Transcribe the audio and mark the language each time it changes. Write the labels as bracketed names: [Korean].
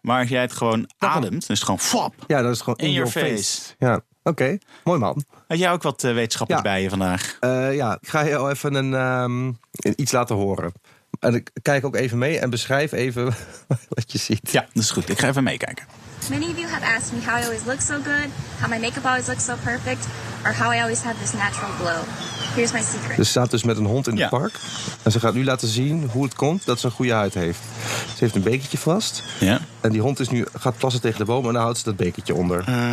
[Dutch] Maar als jij het gewoon ademt, dan is het gewoon fap. Ja, dat is gewoon [English] in your face. [Dutch] Ja, oké. Okay. Mooi man. Had jij ook wat wetenschappers bij je vandaag? Ik ga je al even iets laten horen. En ik kijk ook even mee en beschrijf even wat je ziet. Ja, dat is goed. Ik ga even meekijken. [English] Many of you have asked me how I always look so good, how my makeup always looks so perfect, or how I always have this natural glow. Here's my secret. [Dutch] Ze staat dus met een hond in het park. En ze gaat nu laten zien hoe het komt dat ze een goede huid heeft. Ze heeft een bekertje vast. Ja. En die hond is nu, gaat plassen tegen de boom en dan houdt ze dat bekertje onder.